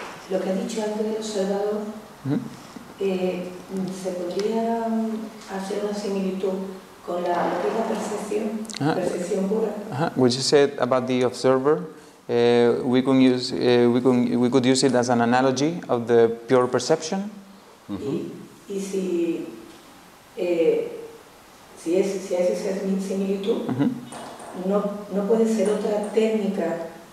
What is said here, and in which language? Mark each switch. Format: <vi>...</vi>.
<es>Lo que ha dicho antes el soldado, ¿se podría hacer una similitud con la propia percepción pura?</es> <en>What you said about the observer, we could use it as an analogy of the pure perception.</en> <es>Y si es esa similitud, no puede ser otra técnica.</es>